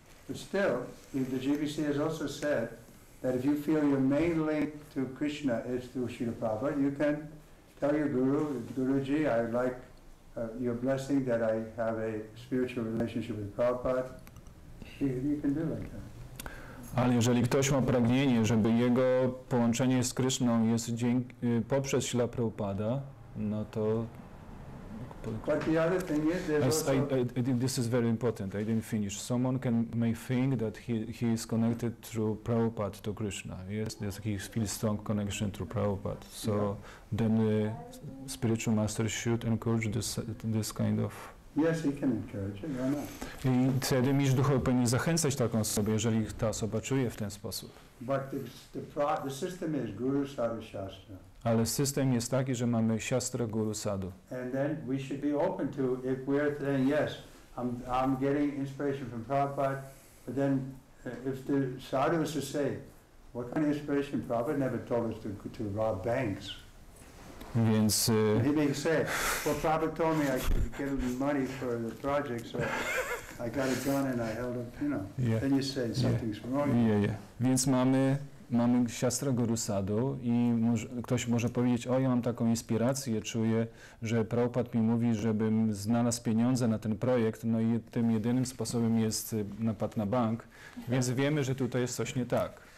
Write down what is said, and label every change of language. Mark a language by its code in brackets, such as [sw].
[en] But still, the GVC has also said that if you feel your main link to Krishna is through Srila Prabhupada, you can tell your guru, Guruji, I would like your blessing that I have a spiritual relationship with Prabhupada. You can do like that. [pl] Ale jeżeli ktoś ma pragnienie, żeby jego połączenie z Kryszną jest poprzez Śla Prabhupada, no to... [en] But the other thing is, there's I this is very important. I didn't finish. Someone may think that he is connected through Prabhupada to Krishna. Yes, there's a feels strong connection through Prabhupada. So yeah. Then the spiritual master should encourage this kind of. Yes, he can encourage it. Why not? [pl] I wtedy mistrz duchowy powinien zachęcać taką osobę, jeżeli ta osoba czuje w ten sposób. [en] But the system is Guru Sadhu Shastra. [pl] Ale system jest taki, że mamy siastrę Guru Sadhu. [en] And then we should be open to, if we are saying, yes, I'm getting inspiration from Prabhupada, but then if the Sadhu is to say, what kind of inspiration? Prabhupada never told us to rob banks. [pl] Więc... [en] He may say, well, Prabhupada told me I should give him money for the project, so I got a gun and I held up, you know. Yeah. Then you say, something's wrong. Yeah. [pl] Więc mamy siastrę Guru Sadhu i ktoś może powiedzieć, o, ja mam taką inspirację, czuję, że Prabhupada mi mówi, żebym znalazł pieniądze na ten projekt, no i tym jedynym sposobem jest napad na bank, więc wiemy, że tutaj jest coś nie tak.